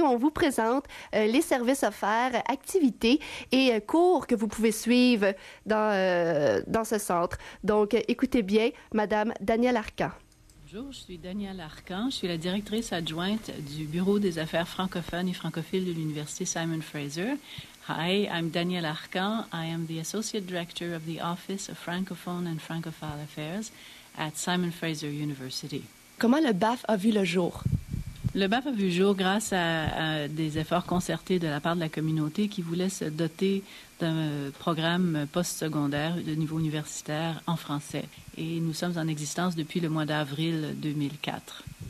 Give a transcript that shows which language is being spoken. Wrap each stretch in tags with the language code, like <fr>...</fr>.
<fr>On vous présente les services offerts, activités et cours que vous pouvez suivre dans ce centre. Donc, écoutez bien, Madame Danielle Arcan. Bonjour, je suis Danielle Arcan, je suis la directrice adjointe du Bureau des affaires francophones et francophiles de l'Université Simon Fraser.</fr> <en>Hi, I'm Danielle Arcan. I am the Associate Director of the Office of Francophone and Francophile Affairs at Simon Fraser University.</en> <fr>Comment le BAF a vu le jour? Le BAF a vu le jour grâce à des efforts concertés de la part de la communauté qui voulait se doter d'un programme postsecondaire de niveau universitaire en français. Et nous sommes en existence depuis le mois d'avril 2004.</fr>